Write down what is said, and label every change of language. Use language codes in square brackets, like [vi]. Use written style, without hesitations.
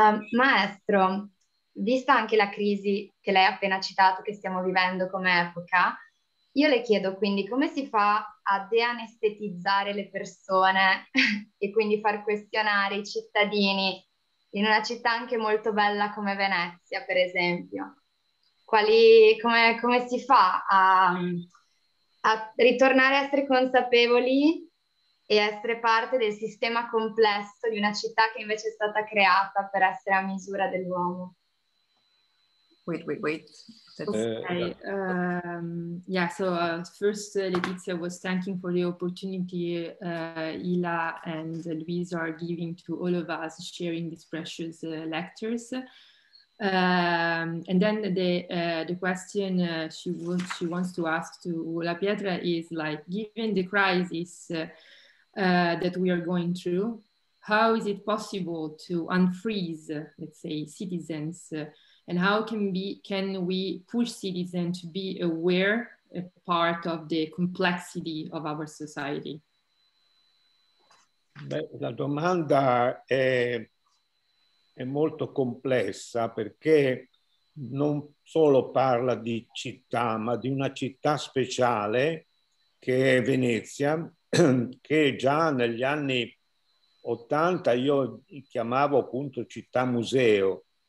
[it] Maestro, vista anche la crisi che lei ha appena citato, che stiamo vivendo come epoca, io le chiedo quindi come si fa a deanestetizzare le persone e quindi far questionare i cittadini in una città anche molto bella come Venezia, per esempio. Come si fa a ritornare a essere consapevoli e essere parte del sistema complesso di una città che invece è stata creata per essere a misura dell'uomo? [en] Wait. First Letizia was thanking for the opportunity Ila and Luis are giving to all of us sharing these precious lectures. And then the question she wants to ask to La Pietra is like, given the crisis that we are going through, how is it possible to unfreeze, let's say, citizens? And how can we push citizens to be aware a part of the complexity of our society? [it] Beh, la domanda è molto complessa perché non solo parla di città, ma di una città speciale che è Venezia, che già negli anni 80 io chiamavo appunto città museo.